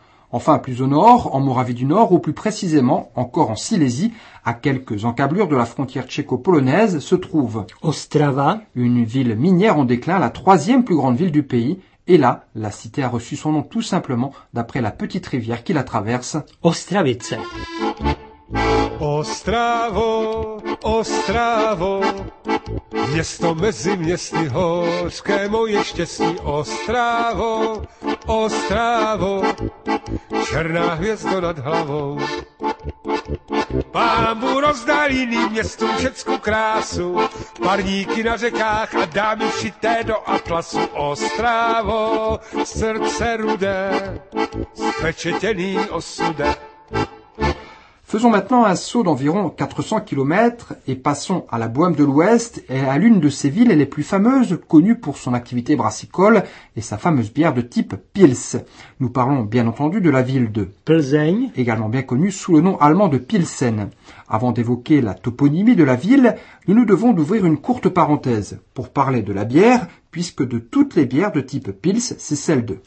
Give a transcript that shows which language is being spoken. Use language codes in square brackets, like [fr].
[fr] Enfin, plus au nord, en Moravie du Nord, ou plus précisément encore en Silésie, à quelques encablures de la frontière tchéco-polonaise, se trouve Ostrava, une ville minière en déclin, la troisième plus grande ville du pays. Et là, la cité a reçu son nom tout simplement d'après la petite rivière qui la traverse. Ostravice. [cs] Ostravo, Ostravo, město mezi městy hořké moje štěstí. Ostravo, Ostravo, černá hvězda nad hlavou. Pámbu rozdal jiným městům všecku krásu, parníky na řekách a dámy šité do atlasu. Ostravo, srdce rudé, zpečetěný osude. [fr] Faisons maintenant un saut d'environ 400 km et passons à la Bohême de l'Ouest et à l'une de ses villes les plus fameuses, connue pour son activité brassicole et sa fameuse bière de type Pils. Nous parlons bien entendu de la ville de Plzeň, également bien connue sous le nom allemand de Pilsen. Avant d'évoquer la toponymie de la ville, nous devons ouvrir une courte parenthèse pour parler de la bière, puisque de toutes les bières de type Pils, c'est celle de